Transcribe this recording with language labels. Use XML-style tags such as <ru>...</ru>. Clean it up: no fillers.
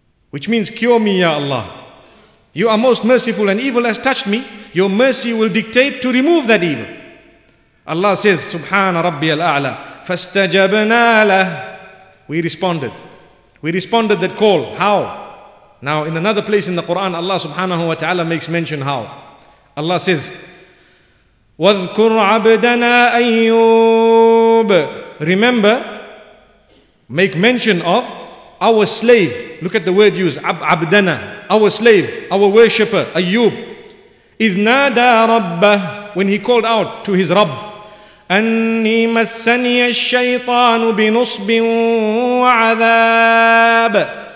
<en>Which means, cure me, Ya Allah. You are most merciful and evil has touched me. Your mercy will dictate to remove that evil. Allah says, Subhana Rabbi al-A'la.</en> <ar>فَاسْتَجَبْنَا لَهُ</ar> <en>We responded. We responded that call. How? Now, in another place in the Quran, Allah subhanahu wa ta'ala makes mention how. Allah says,</en> <ar>وَذْكُرْ عَبْدَنَا أَيُّوبَ.</ar> <en>Remember, make mention of our slave. Look at the word used, عَبْدَنَا. Our slave, our worshipper, Ayyub.</en> <ar>إِذْ نَادَى رَبَّهُ.</ar> <en>When he called out to his Rabb,</en> <ar>أَنِّي مَسَّنِيَ الشَّيْطَانُ بِنُصْبٍ وَعَذَابٍ.</ar>